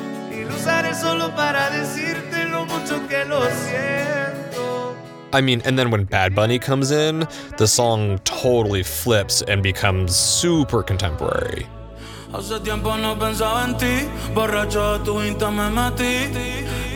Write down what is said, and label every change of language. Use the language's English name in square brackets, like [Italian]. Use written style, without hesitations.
[Spanish] y lo usaré solo para decirte lo mucho que lo siento. [English] I mean, and then when Bad Bunny comes in, the song totally flips and becomes super contemporary. [Spanish] Hace tiempo no pensaba en ti, borracho tu insta me metí.